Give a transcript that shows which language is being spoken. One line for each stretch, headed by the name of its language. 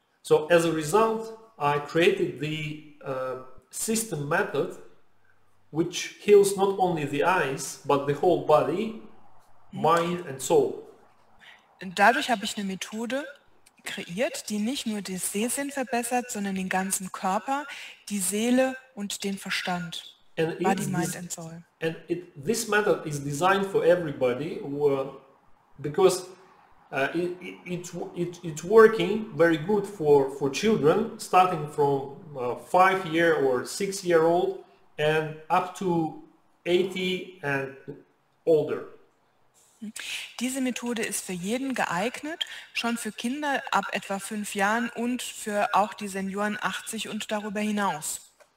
English: So as a result, I created the system method which heals not only the eyes, but the whole body, mind and soul.
German: Dadurch habe ich eine Methode kreiert, die nicht nur den Sehsinn verbessert, sondern den ganzen Körper, die Seele und den Verstand.
English: And body, mind and soul. And this method is designed for everybody, because it's working very good for children, starting from 5 year or 6 year old, and up to 80 and older.
German: Diese Methode ist für jeden geeignet, schon für Kinder ab etwa 5 Jahren und für auch die Senioren 80 und darüber hinaus.